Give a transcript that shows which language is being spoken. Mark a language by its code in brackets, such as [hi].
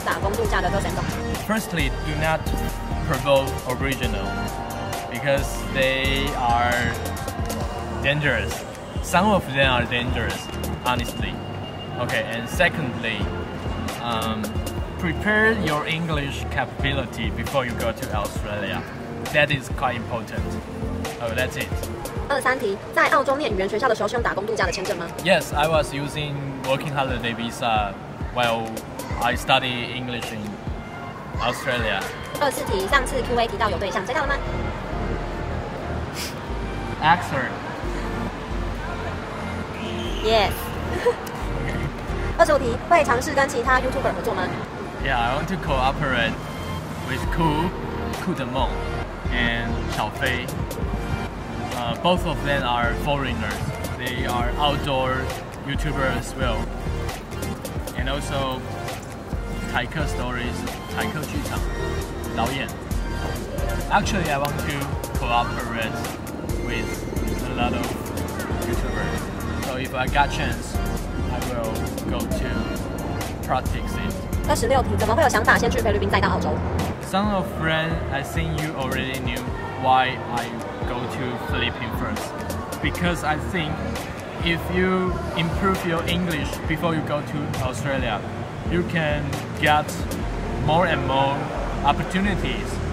[en] Firstly, do not provoke original because they are dangerous. Some of them are dangerous, honestly. Okay, and secondly, prepare your English capability before you go to Australia. That is quite important. Oh, that's it. [zh] 23题，在澳洲念语言学校的时候是用打工度假的签证吗？ [en] Yes, I was using working holiday visa. While I study English in Australia. [zh] 24题，上次 Q&A 提到有对象，追到了吗？ [en] Answer. [zh] Yes. 25题，会尝试跟其他 YouTuber 合作吗？ [en] Yeah, I want to cooperate with Cool 的梦 and 小飞。 Both of them are foreigners. They are outdoor YouTubers as well. And also, 台客 stories, 台客剧场导演。 Actually, I want to cooperate with a lot of YouTubers. So if I got chance, I will go to practice it. [zh] 26题，怎么会有想法先去菲律宾再到澳洲 [en] ？Some of friends, I think you already knew why I go to Philippines first. Because I think. If you improve your English before you go to Australia, you can get more and more opportunities.